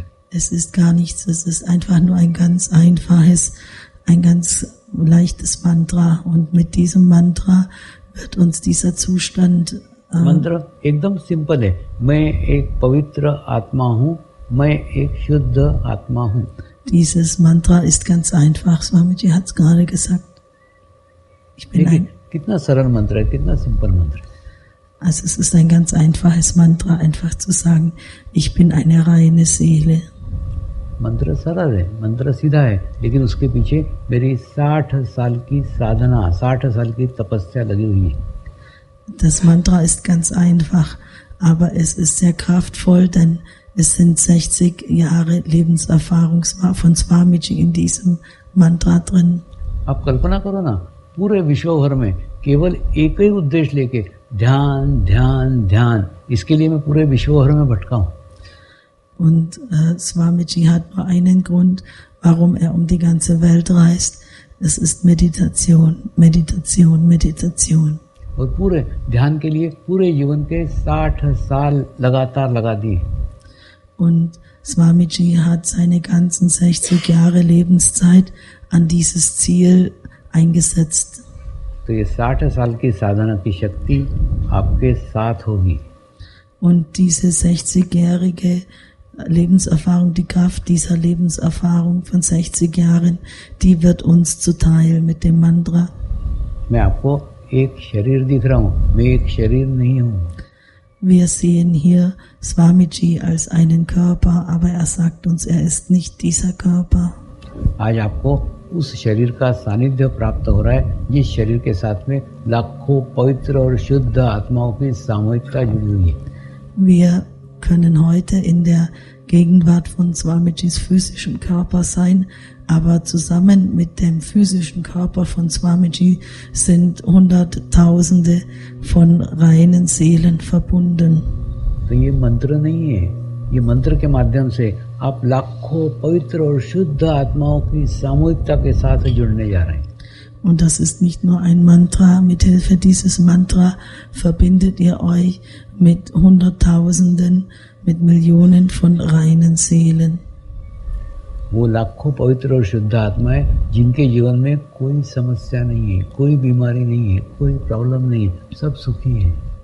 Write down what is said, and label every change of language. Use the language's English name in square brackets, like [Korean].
[German] Es ist gar nichts, es ist einfach nur ein ganz einfaches, ein ganz leichtes Mantra. Und mit diesem Mantra wird uns dieser Zustand [Hindi] मंत्र एकदम simple है मैं एक पवित्र आत्मा हूं मैं एक शुद्ध आत्मा हूं [German] dieses mantra ist ganz einfach swamiji hat's gerade gesagt ich bin ein [Hindi] कितना सरल मंत्र है कितना सिंपल मंत्र [German] also es ist ein ganz einfaches mantra einfach zu sagen ich bin eine reine seele [Hindi] मंत्र सरल है मंत्र सीधा है लेकिन उसके पीछे मेरी 60 साल की साधना 60 साल की तपस्या लगी हुई है [German] Das Mantra ist ganz einfach, aber es ist sehr kraftvoll, denn es sind 60 Jahre Lebenserfahrung von Swamiji in diesem Mantra drin. [Hindi] आप कल्पना करो ना पूरे विश्व भर में केवल एक ही उद्देश्य लेके ध्यान ध्यान ध्यान इसके लिए मैं पूरे विश्व भर में भटका हूं [German] Und Swamiji hat nur einen Grund, warum er um die ganze Welt reist. Es ist Meditation, Meditation, Meditation. [Hindi] और पूरे ध्यान के लिए पूरे जीवन के 60 साल लगातार लगा दिए [German] und Swamiji hat seine ganzen 60 Jahre Lebenszeit an dieses Ziel eingesetzt [Hindi] तो ये 60 साल की साधना की शक्ति आपके साथ होगी [German] und diese 60-jährige Lebenserfahrung die Kraft dieser Lebenserfahrung von 60 Jahren die wird uns zuteil mit dem Mantra [Hindi] मैं आपको एक शरीर दिख रहा हूं मैं एक शरीर नहीं हूं [German] wir sehen hier swamiji als einen körper aber sagt uns ist nicht dieser körper [Hindi] आज आपको उस शरीर का सानिध्य प्राप्त हो रहा है जिस शरीर के साथ में लाखों पवित्र और शुद्ध आत्माओं की सामूहिकता जुड़ी हुई है [German] wir können heute in der gegenwart von swamijis physischen körper sein Aber zusammen mit dem physischen Körper von Swamiji sind Hunderttausende von reinen Seelen verbunden. [Hindi] तो ये मंत्र नहीं है, ये मंत्र के माध्यम से आप लाखों पवित्र और शुद्ध आत्माओं की सामूहिकता के साथ जुड़ने जा रहे हैं। [German] Und das ist nicht nur ein Mantra. Mit Hilfe dieses Mantra verbindet ihr euch mit Hunderttausenden, mit Millionen von reinen Seelen. [Hindi] वो लाखों पवित्र और शुद्ध आत्माएं जिनके जीवन में कोई समस्या नहीं है कोई बीमारी नहीं है कोई प्रॉब्लम नहीं है सब सुखी हैं